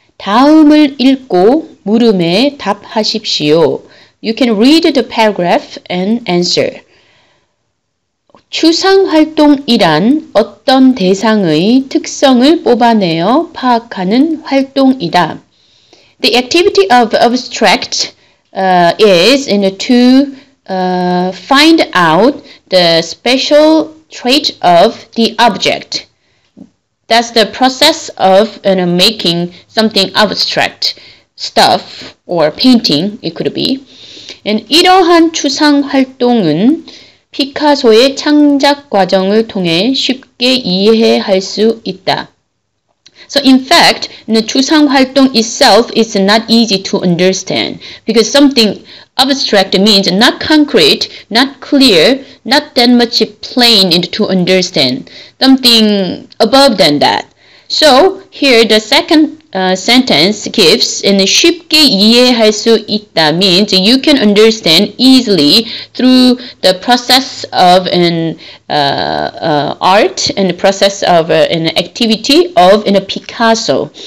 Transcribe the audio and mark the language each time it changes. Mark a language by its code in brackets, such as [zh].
[ko] 다음을 읽고 물음에 답하십시오. [en] You can read the paragraph and answer. [ko] 추상활동이란 어떤 대상의 특성을 뽑아내어 파악하는 활동이다. [en] The activity of abstract is in to find out the special trait of the object. That's the process of making something abstract, stuff or painting, it could be. [ko] And 이러한 추상활동은 피카소의 창작 과정을 통해 쉽게 이해할 수 있다. [en] So in fact, the 추상활동 itself is not easy to understand because something abstract means not concrete, not clear, not that much plain to understand. Something above than that. So here the second sentence gives and [ko] 쉽게 이해할 수 있다 [en] means you can understand easily through the process of an art and the process of an activity of in a Picasso.